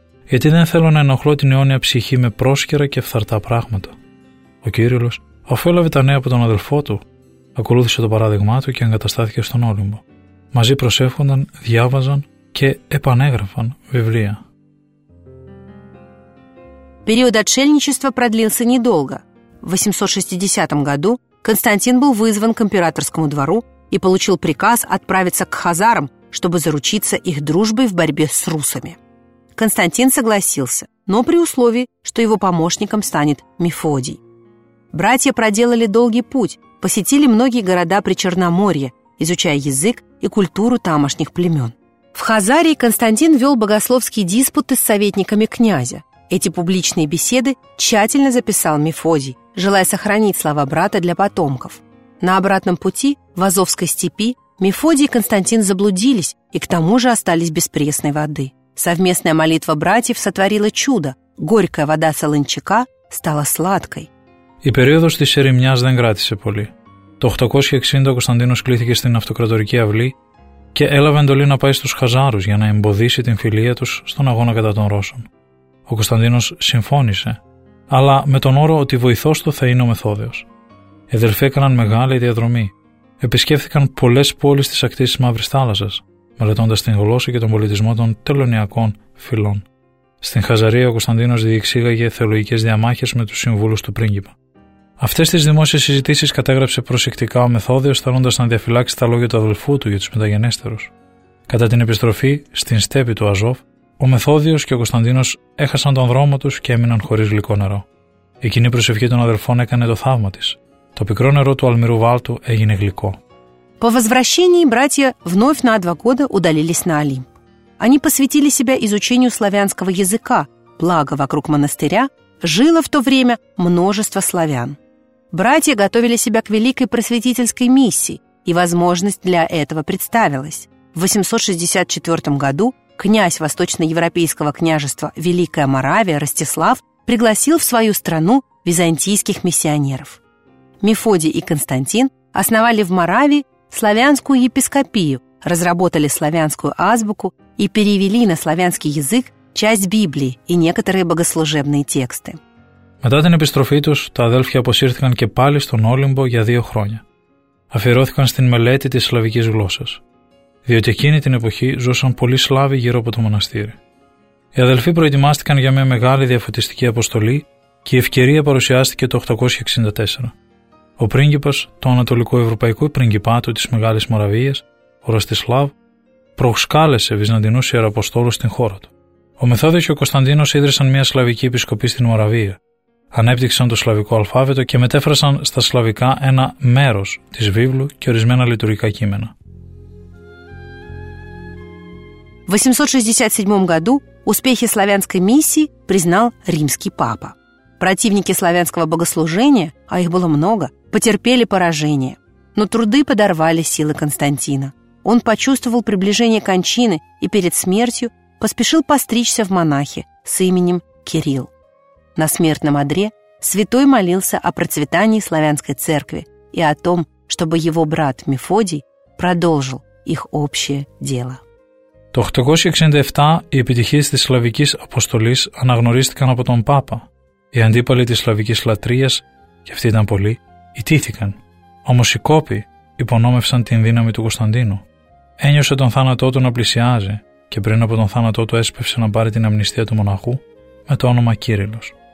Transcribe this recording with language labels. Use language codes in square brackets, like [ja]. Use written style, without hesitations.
[el] Γιατί δεν θέλω να ενοχλώ την αιώνια ψυχή με πρόσκαιρα και φθαρτά πράγματα». Ο Κύριλλος, αφού έλαβε τα νέα από τον αδελφό του, ακολούθησε το παράδειγμά του και εγκαταστάθηκε στον Όλυμπο. Μαζί προσεύχονταν, διάβαζαν και επανέγραφαν βιβλία. [ru] Период отшельничества продлился недолго. В 860 году Константин был вызван к императорскому двору и получил приказ отправиться к хазарам, чтобы заручиться их дружбой в борьбе с русами. Константин согласился, но при условии, что его помощником станет Мефодий. Братья проделали долгий путь, посетили многие города Причерноморья, изучая язык и культуру тамошних племен. В Хазарии Константин вел богословские диспуты с советниками князя. Эти публичные беседы тщательно записал Мефодий, желая сохранить слова брата для потомков. На обратном пути, в Азовской степи, Мефодий и Константин заблудились и к тому же остались без пресной воды. Совместная молитва братьев сотворила чудо. Горькая вода солончака стала сладкой. [el] Η περίοδος της ερημιάς δεν κράτησε πολύ. Το 860 ο Κωνσταντίνος κλήθηκε στην αυτοκρατορική αυλή και έλαβε εντολή να πάει στους Χαζάρους για να εμποδίσει την φιλία τους στον αγώνα κατά των Ρώσων. Ο Κωνσταντίνος συμφώνησε, αλλά με τον όρο ότι βοηθός του θα είναι ο Μεθόδιος. Οι αδελφοί έκαναν μεγάλη διαδρομή. Επισκέφθηκαν πολλές πόλεις της ακτής της Μαύρης Θάλασσας, μελετώντας την γλώσσα και τον πολιτισμό των τελωνιακών φυλών. Στην Χαζαρία ο Κωνσταντίνος διεξήγαγε θεολογικές διαμάχες με τους συμβούλους του πρίγκιπα. Αυτές τις δημόσιες συζητήσεις κατέγραψε προσεκτικά ο Μεθόδιος, θέλοντας να διαφυλάξει τα λόγια του αδελφού του για τους μεταγενέστερους. Κατά την επιστροφή στην στέπη του Αζόφ, ο Μεθόδιος και ο Κωνσταντίνος έχασαν τον δρόμο τους και έμειναν χωρίς γλυκό νερό. Η κοινή προσευχή των αδελφών έκανε το θαύμα της. Το πικρό νερό του αλμυρού βάλτου έγινε γλυκό. [ru] По возвращении братья вновь на 2 года удалились на Олимп. Они посвятили себя изучению славянского языка, благо вокруг монастыря жило в то время множество славян. Братья готовили себя к великой просветительской миссии, и возможность для этого представилась. В 864 году князь восточноевропейского княжества Великая Моравия Ростислав пригласил в свою страну византийских миссионеров. Мефодий и Константин основали в Моравии славянскую епископию, разработали славянскую азбуку и перевели на славянский язык часть Библии и некоторые богослужебные тексты. [el] Μετά την επιστροφή τους, τα αδέλφια αποσύρθηκαν και πάλι στον Όλυμπο για 2 χρόνια. αφιερώθηκαν στην μελέτη της σλαβικής γλώσσας, διότι εκείνη την εποχή ζούσαν πολλοί Σλάβοι γύρω από το μοναστήρι. Οι αδελφοί προετοιμάστηκαν για μια μεγάλη διαφωτιστική αποστολή και η ευκαιρία παρουσιάστηκε το 864. Ο πρίγκιπας του Ανατολικού Ευρωπαϊκού Πριγκιπάτου της Μεγάλης Μοραβίας, ο Ραστισλάβ, προσκάλεσε Βυζαντινούς Ιεραποστόλους στην χώρα του. Ο Μεθόδιος και ο Κωνσταντίνος ίδρυσαν μια σλαβική επισκοπή στην Μοραβία. Ανέπτυξαν το σλαβικό αλφάβητο και μετέφρασαν στα σλαβικά ένα μέρος της Βίβλου και ορισμένα λειτουργικά κείμενα. [ru] В 867 году успехи славянской миссии признал римский папа. Противники славянского богослужения, а их было много, потерпели поражение. Но труды подорвали силы Константина. Он почувствовал приближение кончины и перед смертью поспешил постричься в монахи с именем Кирилл. На смертном одре святой молился о процветании славянской церкви и о том, чтобы его брат Мефодий продолжил их общее дело. [el] Το 867 οι επιτυχίες της Σλαβικής Αποστολής αναγνωρίστηκαν από τον Πάπα. Οι αντίπαλοι της Σλαβικής Λατρείας, και αυτοί ήταν πολλοί, ιτήθηκαν. Όμως οι κόποι υπονόμευσαν την δύναμη του Κωνσταντίνου. Ένιωσε τον θάνατό του να πλησιάζει και πριν από τον θάνατό του έσπευσε να πάρει την αμνηστία του μοναχού με το όνομα Κύριλλος.